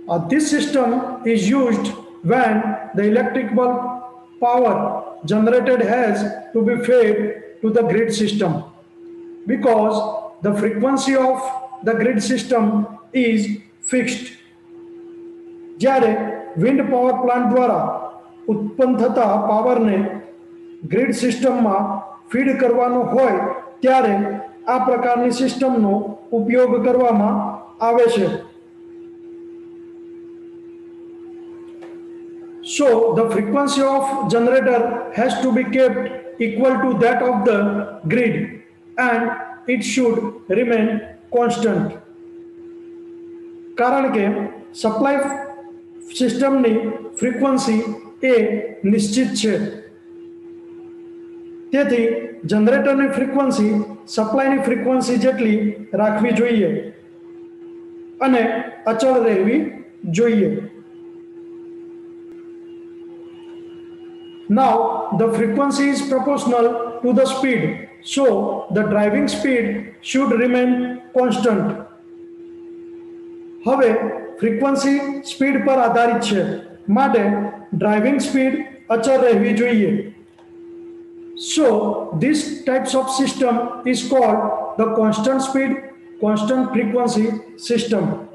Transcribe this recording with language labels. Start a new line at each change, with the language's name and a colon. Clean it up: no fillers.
English: This system is used when the electric bulb power generated has to be fed to the grid system, because the frequency of the grid system is fixed.
Gujarati: જ્યારે wind power plant દ્વારા ઉત્પન્ન થતા પાવરને grid સિસ્ટમમાં feed કરવાનો હોય ત્યારે આ પ્રકારની સિસ્ટમનો ઉપયોગ કરવામાં આવે છે.
English: So the frequency of generator has to be kept equal to that of the grid and it should remain constant.
Gujarati: કારણ કે સપ્લાય સિસ્ટમની ફ્રીક્વન્સી એ નિશ્ચિત છે, તેથી જનરેટરની ફ્રીક્વન્સી સપ્લાયની ફ્રીક્વન્સી જેટલી રાખવી જોઈએ અને અચળ રહેવી જોઈએ.
English: Now the frequency is proportional to the speed, so the driving speed should remain constant.
Gujarati: હવે ફ્રીક્વન્સી સ્પીડ પર આધારિત છે, માટે ડ્રાઇવિંગ સ્પીડ અચળ રહેવી જોઈએ.
English: So this types of system is called the constant speed constant frequency system.